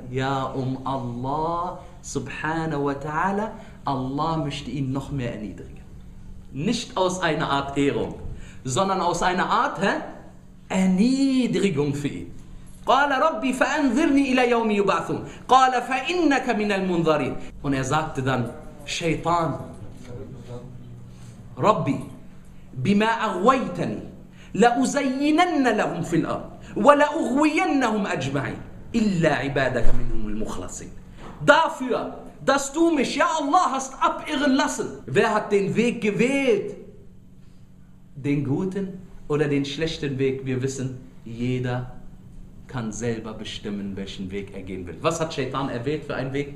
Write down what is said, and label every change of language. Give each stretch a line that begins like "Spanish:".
German: Ja, Allah subhanahu wa ta'ala. Allah möchte ihn noch mehr erniedrigen. Nicht aus einer Art Ehrung, sondern aus einer Art Erniedrigung für ihn.
Arabic: قَالَ رَبِّي فَأَنْذِرْنِي إِلَى يَوْمِ يُبْعَثُونَ قَالَ فَإِنَّكَ مِنَ الْمُنْذَرِينَ.
German: Und er sagte dann, Shaitan,
Arabic: رَبِّي بِمَا أَغْوَيْتَنِي لَأُزَيِّنَنَّ لَهُمْ فِي الْأَرْضِ وَلَأُغْوِيَنَّهُمْ أَجْمَعِينَ إِلَّا عِبَادَكَ مِنْهُمُ الْمُخْلَصِينَ.
German: Dafür, dass du mich, ja Allah, hast abirren lassen. Wer hat den Weg gewählt? Den guten oder den schlechten Weg? Wir wissen, jeder kann selber bestimmen, welchen Weg er gehen will. Was hat Shaitan erwählt für einen Weg?